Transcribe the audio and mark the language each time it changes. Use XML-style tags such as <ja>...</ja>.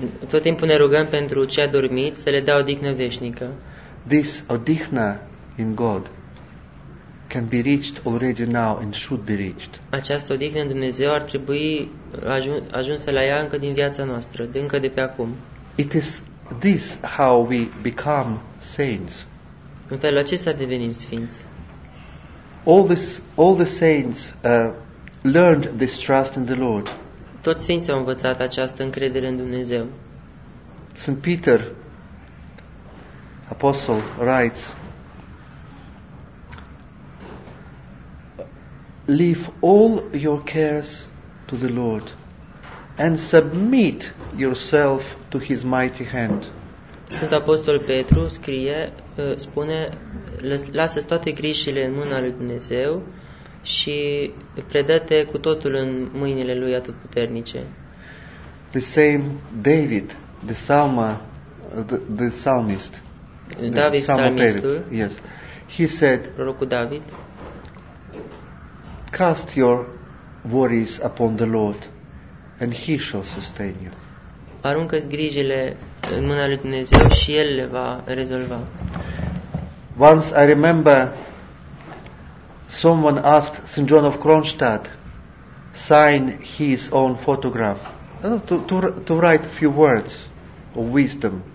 <ro>Tot timpul ne rugăm pentru cei adormiți să le dea odihnă veșnică.</ro> <en>This odihnă in God can be reached already now and should be reached.</en> <ro>Această odihnă în Dumnezeu ar trebui ajunsă la ea încă din viața noastră, încă de pe acum.</ro> <en>It is this how we become saints.</en> <ro>În felul acesta devenim sfinți.</ro> <en>All the saints learned this trust in the Lord.</en> <ro>Toți sfinții au învățat această încredere în Dumnezeu.</ro> <en>St. Peter, apostle, writes, leave all your cares to the Lord and submit yourself to his mighty hand.</en> <ro>Sfântul Apostol Petru scrie, spune, lasă toate grijile în mâna lui Dumnezeu și predă-te cu totul în mâinile lui atotputernice.</ro> <en>The same David, the Psalma, the psalmist, David, the psalmistul, yes, he said,</en> <ro>prorocul David,</ro> <en>cast your worries upon the Lord and he shall sustain you.</en> <ro>Aruncă-ți grijile în mâna lui Dumnezeu și el le va rezolva.</ro> <en>Once I remember someone asked St. John of Kronstadt sign his own photograph to write a few words of wisdom.</en>